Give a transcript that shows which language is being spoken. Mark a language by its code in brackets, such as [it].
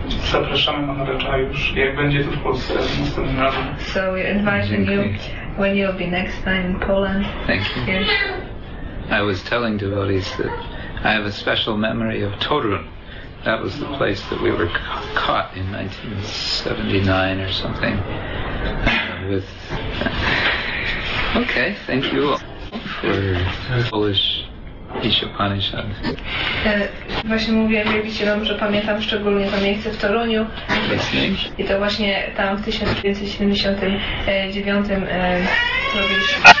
[pl] Zapraszamy na Maharaja już, jak będzie to w Polsce następnym razem. [en] So we're inviting you. When you'll be next time in Poland. Thank you. I was telling devotees that I have a special memory of Torun. That was the place that we were caught in 1979 or something. Okay, thank you all for Polish Ishopanishad. [pl] Właśnie mówiłem wielbicielom, że pamiętam szczególnie to miejsce w Toruniu. I to właśnie tam w 1979 robiliśmy.